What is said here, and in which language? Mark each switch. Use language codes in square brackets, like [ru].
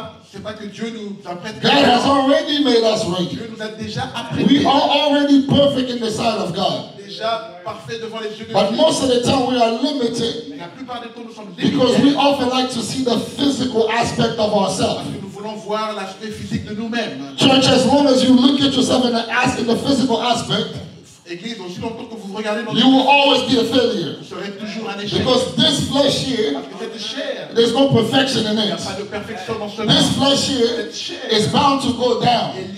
[fr] C'est pas que Dieu nous apprête. [en] God has already made us ready. [fr] Dieu nous a déjà apprêté. [en] We are already perfect in the sight of God. [fr] Déjà parfait devant les yeux de [en] but [fr] Dieu. [en] Most of the time we are limited. [fr] Mais la plupart du temps nous sommes limités. [en] Because we often like to see the physical aspect of ourselves. [fr] Parce que nous voulons voir l'aspect physique de nous-mêmes. [en] Church, as long as you look at yourself and ask in the physical aspect, you will always be a failure. Because this flesh here, there's no perfection in it. This flesh here is bound to go down.